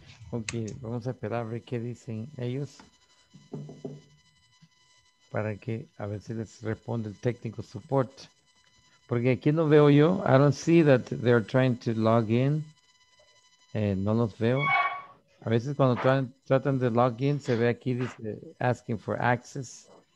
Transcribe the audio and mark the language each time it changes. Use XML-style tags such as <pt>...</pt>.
<es>Okay, vamos a esperar a ver qué dicen ellos para que a ver si les responde el técnico support. Porque aquí no veo yo.</es> <en>I don't see that they're trying to log in.</en> <es>No los veo. A veces cuando tratan de log in, se ve aquí dice</es> <en>asking for access.</en>